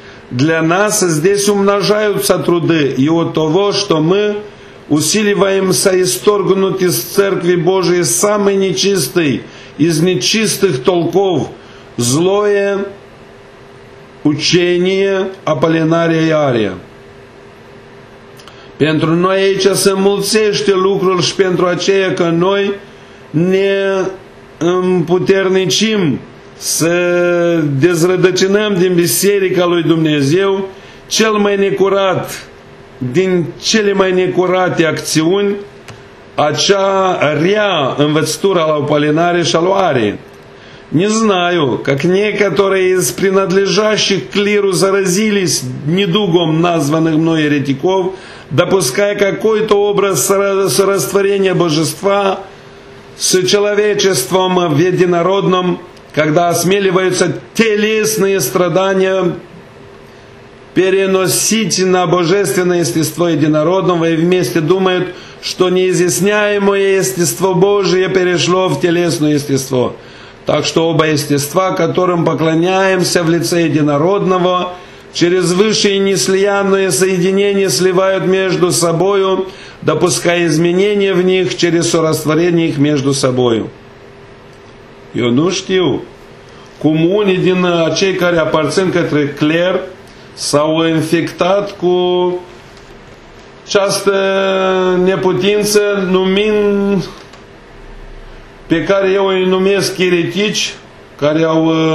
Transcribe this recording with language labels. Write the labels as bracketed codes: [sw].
[ru] Для нас здесь умножаются труды и от того, что мы усиливаемся исторгнуть из Церкви Божией самый нечистый из нечистых толков злое учение Аполлинария Иария. [ro] Pentru noi aici se mulțește lucrul și pentru aceea că noi ne împuternicim să dezrădăcinăm din Biserica lui Dumnezeu cel mai necurat din cele mai necurate acțiuni, acea rea învățătura la Apolinare și Aluare. [ru] Не знаю, как некоторые из принадлежащих клиру заразились недугом названных мной еретиков, допуская какой-то образ растворения божества с человечеством в единородном, когда осмеливаются телесные страдания переносить на божественное естество единородного и вместе думают, что неизъясняемое естество Божие перешло в телесное естество. Так что оба естества, которым поклоняемся в лице единородного, через высшее неслиянное соединение сливают между собою, допуская изменения в них через сорастворение их между собою. [ro] Eu nu știu cum unii din cei care aparțin către cler s-au infectat cu această neputință numind pe care eu îi numesc eretici, care au